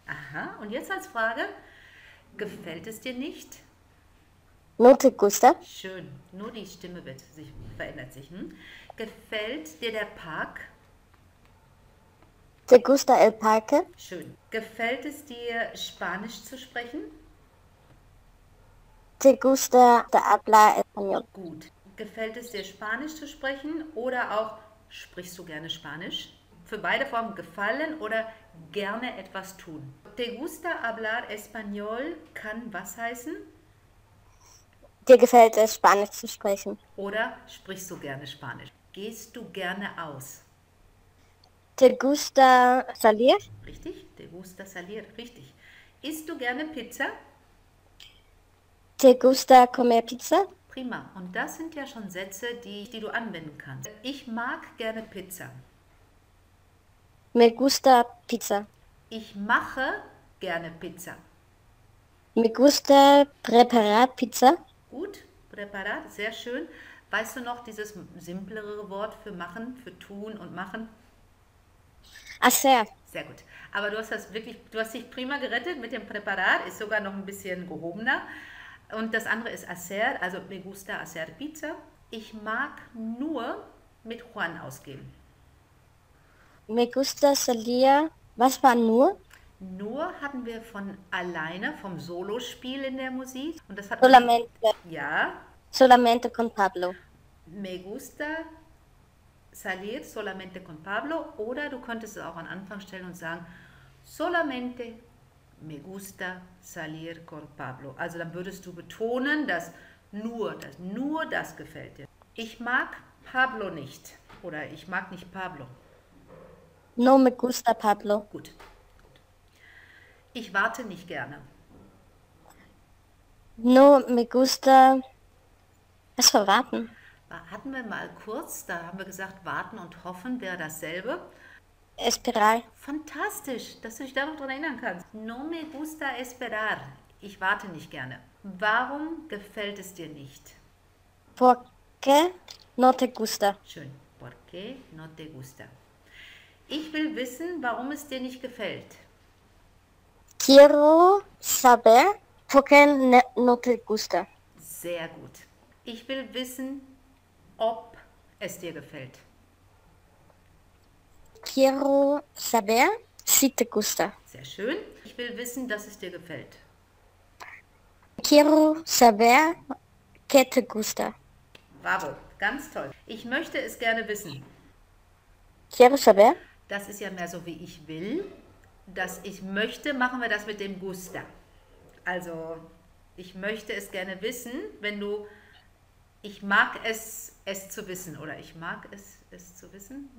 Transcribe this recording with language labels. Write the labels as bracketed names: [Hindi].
[German] Aha, und jetzt als Frage: Gefällt es dir nicht? [Spanish] No te gusta. [German] Schön. Nur die Stimme verändert sich. Gefällt dir der Park? [Spanish] Te gusta el parque? [German] Schön. Gefällt es dir, Spanisch zu sprechen? [Spanish] Te gusta de hablar español? [German] Gut. Gefällt es dir, Spanisch zu sprechen oder auch sprichst du gerne Spanisch? Für beide Formen gefallen oder gerne etwas tun. [Spanish] Te gusta hablar español [German] kann was heißen? Dir gefällt es, Spanisch zu sprechen? Oder sprichst du gerne Spanisch? Gehst du gerne aus? [Spanish] Te gusta salir? [German] Richtig, [Spanish] te gusta salir, [German] richtig. Isst du gerne Pizza? [Spanish] Te gusta comer pizza? [German] Prima, und das sind ja schon Sätze, die du anwenden kannst. Ich mag gerne Pizza. [Spanish] Me gusta pizza. [German] Ich mache gerne Pizza. [Spanish] Me gusta preparar pizza. [German] Gut, Präparat, sehr schön. Weißt du noch dieses simplere Wort für machen, für tun und machen? [Spanish] Hacer. [German] Sehr gut. Aber du hast dich prima gerettet mit dem Präparat, ist sogar noch ein bisschen gehobener. Und das andere ist hacer, also [Spanish] me gusta hacer pizza. [German] Ich mag nur mit Juan ausgehen. [Spanish] Me gusta salir. [German] Was war nur? Nur hatten wir von alleine, vom Solospiel in der Musik. Und das hat man eben, [Spanish] Solamente. [German] ja. [Spanish] Solamente con Pablo. Me gusta salir solamente con Pablo. [German] Oder du könntest es auch an Anfang stellen und sagen, [Spanish] solamente me gusta salir con Pablo. [German] Also dann würdest du betonen, dass nur das gefällt dir. Ich mag Pablo nicht. Oder ich mag nicht Pablo. [Spanish] No me gusta Pablo. [German] Gut. Ich warte nicht gerne. [Spanish] No me gusta. [German] Was für Warten? Hatten wir mal kurz, da haben wir gesagt, warten und hoffen wäre dasselbe. [Spanish] Esperar. [German] Fantastisch, dass du dich daran erinnern kannst. [Spanish] No me gusta esperar. [German] Ich warte nicht gerne. Warum gefällt es dir nicht? [Spanish] ¿Por qué no te gusta? [German] Schön. [Spanish] ¿Por qué no te gusta? [German] Ich will wissen, warum es dir nicht gefällt. [Spanish] Quiero saber, ¿por qué no te gusta? [German] Sehr gut. Ich will wissen, ob es dir gefällt. [Spanish] Quiero saber, si te gusta. [German] Sehr schön. Ich will wissen, dass es dir gefällt. [Spanish] Quiero saber, qué te gusta. [German] Bravo, ganz toll. Ich möchte es gerne wissen. [Spanish] Quiero saber. [German] Das ist ja mehr so wie ich will. Das ich möchte, machen wir das mit dem Gusta. Also, ich möchte es gerne wissen, wenn du. Ich mag es zu wissen, oder ich mag es zu wissen.